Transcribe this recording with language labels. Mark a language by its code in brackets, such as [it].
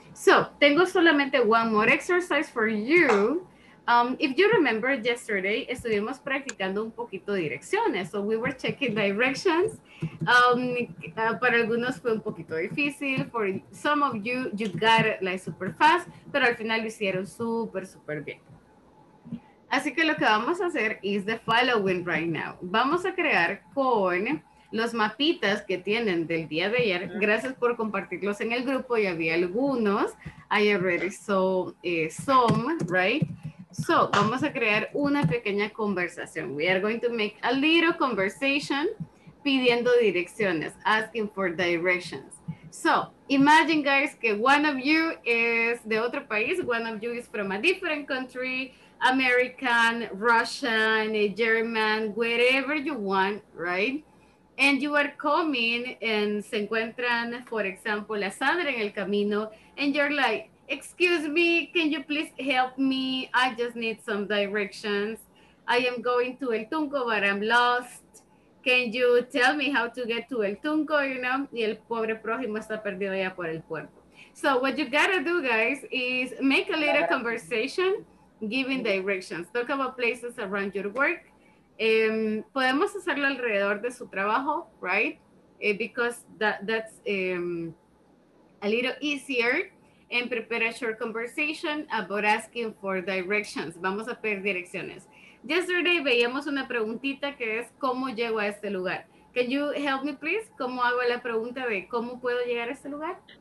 [en] So, [es] tengo solamente [en] one more exercise for you. If you remember yesterday, [es] estuvimos practicando un poquito direcciones. [en] So, we were checking directions. [es] Para algunos fue un poquito difícil. [en] For some of you, you got it like super fast. [es] Pero al final lo hicieron super, super bien. Así que lo que vamos a hacer [en] is the following right now. [es] Vamos a crear con los mapitas que tienen del día de ayer. Gracias por compartirlos en el grupo. Ya había algunos. [en] I already saw some, right? So, [es] vamos a crear una pequeña conversación. [en] We are going to make a little conversation [es] pidiendo direcciones, [en] asking for directions. So, imagine guys que one of you is [es] de otro país. [en] One of you is from a different country. American, Russian, German, whatever you want, right? And you are coming and [es] se encuentran, [en] for example, a Sandra [es] en el camino, [en] and you're like, excuse me, can you please help me? I just need some directions. I am going to El Tunco, but I'm lost. Can you tell me how to get to El Tunco, you know? [es] Y el pobre prójimo está perdido ya por el puerto. [en] So what you gotta do, guys, is make a little conversation, giving directions. Talk about places around your work. [es] Podemos hacerlo alrededor de su trabajo, [en] right? Because that's a little easier. And prepare a short conversation about asking for directions. [es] Vamos a pedir direcciones. Yesterday veíamos una preguntita que es, ¿cómo llego a este lugar? [en] Can you help me, please? [es] ¿Cómo hago la pregunta de cómo puedo llegar a este lugar?